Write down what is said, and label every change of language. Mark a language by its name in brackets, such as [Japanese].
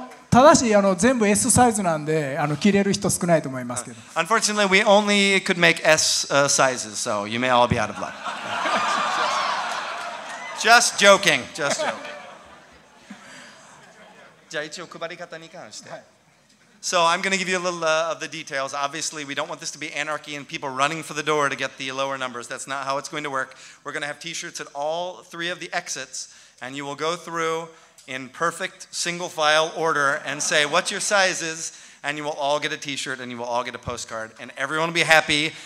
[Japanese] ただし全部 S サイズなんで着れる人少ないと思いますけど。 [English] Unfortunately, we only could make S sizes, so you may all be out of luck. Just joking. Just joking. [Japanese] じゃあ一応配り方に関して。 [English] So I'm going to give you a little of the details. Obviously, we don't want this to be anarchy and people running for the door to get the lower numbers. That's not how it's going to work. We're going to have T-shirts at all three of the exits, and you will go through. In perfect single file order, and say what your size is, and you will all get a T-shirt, and you will all get a postcard, and everyone will be happy.